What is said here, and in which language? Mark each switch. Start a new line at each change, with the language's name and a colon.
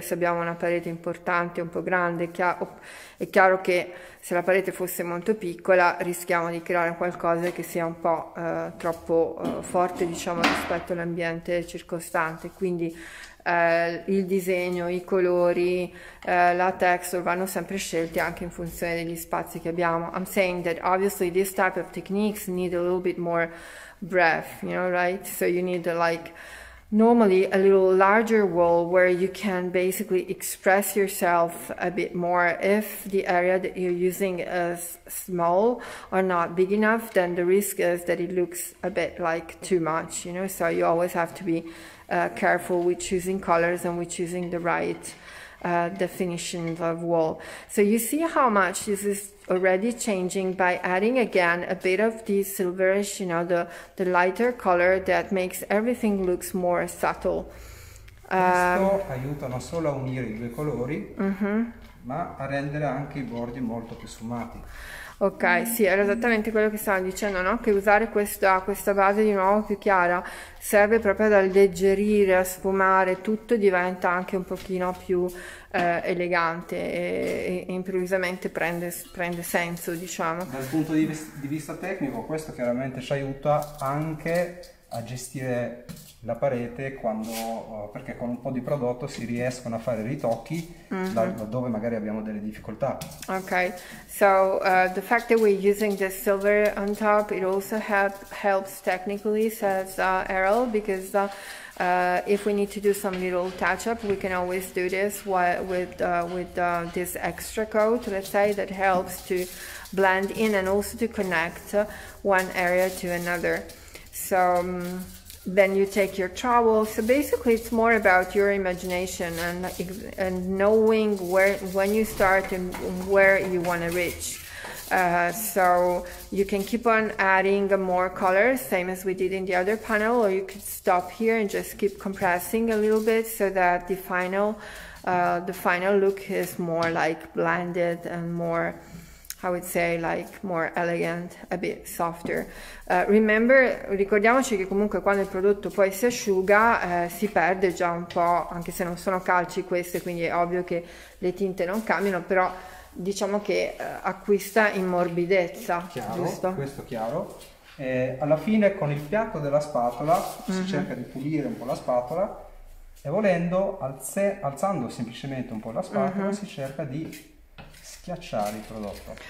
Italian: Se abbiamo una parete importante, un po' grande, è chiaro che se la parete fosse molto piccola rischiamo di creare qualcosa che sia un po' troppo forte, diciamo, rispetto all'ambiente circostante. Quindi il disegno, i colori, la texture vanno sempre scelti anche in funzione degli spazi che abbiamo.
English: I'm saying that obviously these type of techniques need a little bit more breath, you know, right? So you need like normally a little larger wall where you can basically express yourself a bit more. If the area that you're using is small or not big enough, then the risk is that it looks a bit like too much, you know. So you always have to be careful with choosing colors and with choosing the right definitions of wall. So you see how much this is already changing by adding again a bit of the silverish, you know, the lighter color that makes everything looks more subtle.
Italian: Questo aiuta non solo a unire i due colori, ma a rendere anche i bordi molto più sfumati. Ok, sì, era esattamente quello che stavo dicendo, no? Che usare questa base di nuovo più chiara serve proprio ad alleggerire, a sfumare, tutto diventa anche un pochino più elegante e improvvisamente prende senso, diciamo. Dal punto di vista tecnico, questo chiaramente ci aiuta anche a gestire la parete quando, perché con un po' di prodotto si riescono a fare ritocchi laddove magari abbiamo delle difficoltà.
English: Okay, so the fact that we're using the silver on top, it also helps technically, says Errol, because if we need to do some little touch-up, we can always do this with this extra coat, let's say, that helps to blend in and also to connect one area to another. So then you take your trowel. So basically, it's more about your imagination and knowing when you start and where you want to reach. So you can keep on adding more colors, same as we did in the other panel, or you could stop here and just keep compressing a little bit so that the final look is more like blended and more, I would say, like more elegant, a bit softer.
Italian: Ricordiamoci che comunque quando il prodotto poi si asciuga, si perde già un po', anche se non sono calci queste, quindi è ovvio che le tinte non cambiano, però diciamo che acquista in morbidezza, Chiaro, giusto? questo chiaro. Alla fine con il piatto della spatola si cerca di pulire un po' la spatola e volendo, alzando semplicemente un po' la spatola, si cerca di schiacciare il prodotto.